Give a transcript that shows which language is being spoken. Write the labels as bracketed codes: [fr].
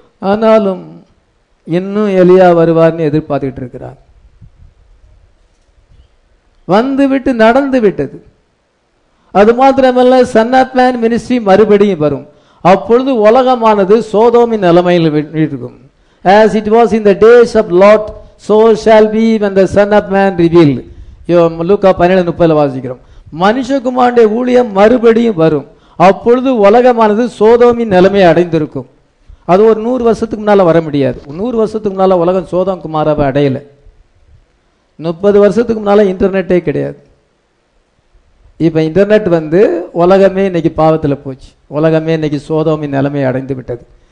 [ta] ஆனாலும் இன்னும் எலியா வருவார்னு எதிர்பார்த்துட்டு இருக்கிறார். வந்து விட்டு நடந்து விட்டது. அது மாத்திரமல்ல, சன் ஆஃப் மேன் மினிஸ்ட்ரி மறுபடியும் வரும். அப்பொழுது உலகமானது சோதோமின் நிலைமையில் இருக்கும். [en] As it was in the days of Lot, so shall be when the Son of Man revealed. [ta] லூக்கா 12:30 வாசிக்கிறோம். மனுஷகுமாருடைய ஊழியம் மறுபடியும் வரும். அப்பொழுது உலகமானது சோதோமின் நிலைமை அடைந்திருக்கும். அது ஒரு 100 முன்னால வர முடியாது. 100 முன்னால உலகம் சோதோம் குமாரவை அடையல. 30 முன்னால இன்டர்நெட்டே கிடையாது. இப்ப இன்டர்நெட் வந்து உலகமே இன்னைக்கு பாவத்துல போச்சு. உலகமே இன்னைக்கு சோதோமின் நிலைமை அடைந்து விட்டது.